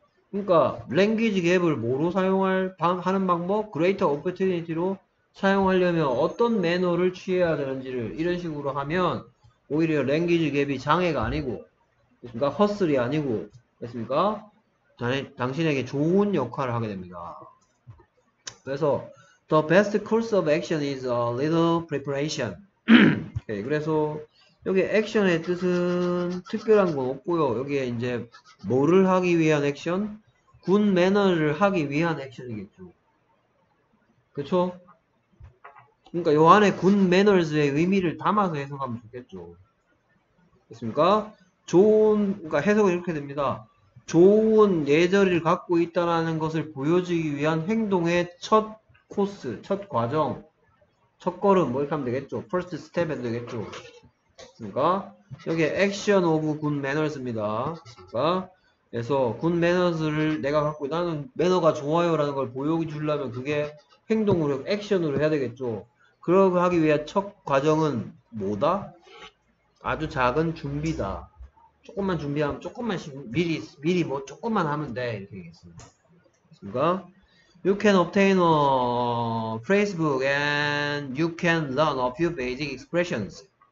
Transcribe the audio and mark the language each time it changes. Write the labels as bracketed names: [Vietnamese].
[Korean] 그러니까 language gap을 뭐로 사용할 하는 방법, greater opportunity로 사용하려면 어떤 매너를 취해야 되는지를 이런 식으로 하면 오히려 language gap이 장애가 아니고, 그러니까 허슬이 아니고, 그랬습니까? 당신에게 좋은 역할을 하게 됩니다. 그래서 [English] the best course of action is a little preparation. [Korean] 오케이. 그래서 여기 액션의 뜻은 특별한 건 없고요. 여기에 이제 뭐를 하기 위한 액션? 굿 매너를 하기 위한 액션이겠죠. 그쵸? 그러니까 요한의 굿 매너즈의 의미를 담아서 해석하면 좋겠죠. 됐습니까? 좋은, 그러니까 해석은 이렇게 됩니다. 좋은 예절을 갖고 있다는 것을 보여주기 위한 행동의 첫 코스, 첫 과정, 첫 걸음, 뭐 이렇게 하면 되겠죠. [English] First step [Korean] 해도 되겠죠. 그러니까 여기 [English] action of good manners입니다. [Korean] 그러니까 그래서 good manners를 내가 갖고 나는 매너가 좋아요라는 걸 보여주려면 그게 행동으로, action으로 해야 되겠죠. 그러고 하기 위해 첫 과정은 뭐다? 아주 작은 준비다. 조금만 준비하면, 조금만 미리 뭐 조금만 하면 돼. 이렇게 얘기했습니다. 그러니까 [English] You can obtain a phrasebook and you can learn a few basic expressions.